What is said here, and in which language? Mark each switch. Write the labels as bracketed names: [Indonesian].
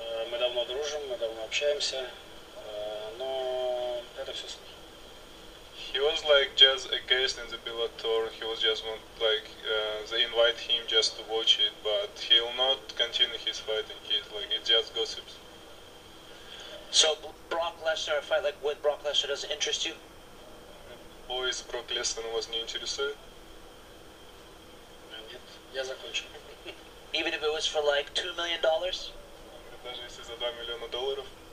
[Russian] Мы давно дружим, мы давно общаемся, но это все слухи. [English] He was like just a guest in the Bellator. He was just want, like they invite him just to watch it, but he'll not continue his fighting. He's like it's just gossips. So Brock Lesnar, a fight like with Brock Lesnar doesn't interest you? [Russian] Бой с Брок Леснером вас не интересует? Нет, я закончил. [English] Even if it was for like $2 million? [Russian] Даже если за 2 миллиона долларов?